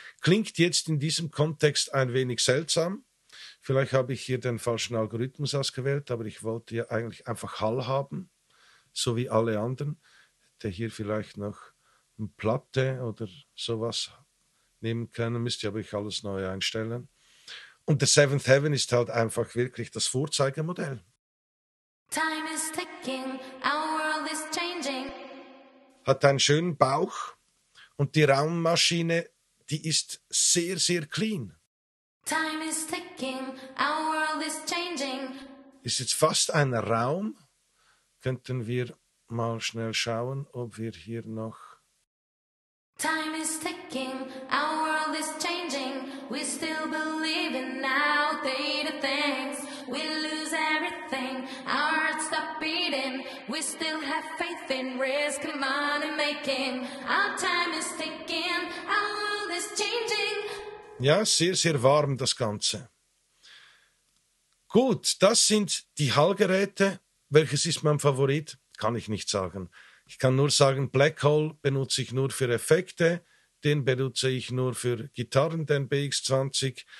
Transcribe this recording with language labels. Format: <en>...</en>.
<de>Klingt jetzt in diesem Kontext ein wenig seltsam. Vielleicht habe ich hier den falschen Algorithmus ausgewählt, aber ich wollte ja eigentlich einfach Hall haben, so wie alle anderen, der hier vielleicht noch eine Platte oder sowas nehmen können, müsste aber ich alles neu einstellen. Und der Seventh Heaven ist halt einfach wirklich das Vorzeigemodell.</de> <en>Time is ticking, our world is changing.</en> <de>Hat einen schönen Bauch und die Raummaschine, die ist sehr, sehr clean.</de> <en>Time is ticking, our world is changing.</en> <de>Ist jetzt fast ein Raum. Könnten wir mal schnell schauen, ob wir hier noch...</de> <en>Time is ticking, our world is changing. We still believe in outdated things. We lose everything, our hearts stop beating. We still have faith in risk and money making. Our time is ticking, our world is changing.</en> <de>Ja, sehr, sehr warm das Ganze. Gut, das sind die Hallgeräte. Welches ist mein Favorit? Kann ich nicht sagen. Ich kann nur sagen, Black Hole benutze ich nur für Effekte. Den benutze ich nur für Gitarren, den BX20.</de>